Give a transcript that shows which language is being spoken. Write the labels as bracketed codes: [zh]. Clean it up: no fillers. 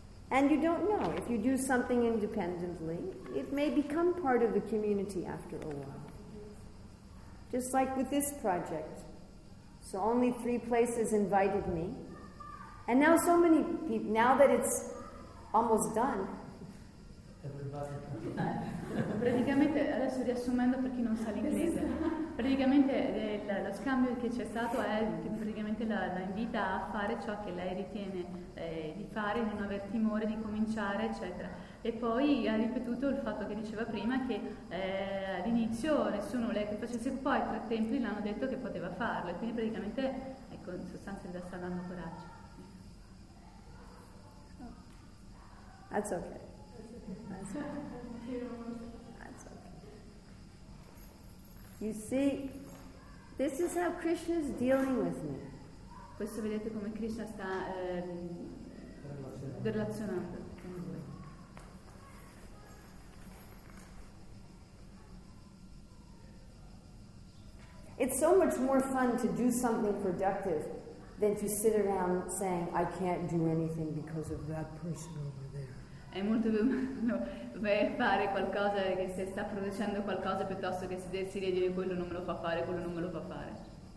[en] And you don't know if you do something independently, it may become part of the community after a while. just like with this project. So only three places invited me. And now so many people, now that it's almost done. [it] Praticamente, adesso riassumendo per chi non sa l'inglese, praticamente lo scambio che c'è stato è praticamente la invita a fare ciò che lei ritiene di fare, di non aver timore, di cominciare, eccetera. E poi ha ripetuto il fatto che diceva prima che all'inizio nessuno voleva che facesse, poi tre templi l'hanno detto che poteva farlo, e quindi praticamente ecco, in sostanza gli sta dando coraggio. [en] That's okay. That's okay. You see, this is how Krishna is dealing with me. [it] Questo vedete come Krishna sta relazionando. [en] It's so much more fun to do something productive than to sit around saying, I can't do anything because of that person over there. [it] È molto più bello fare qualcosa che se sta producendo qualcosa piuttosto che sedersi lì e dire quello non me lo fa fare, quello non me lo fa fare.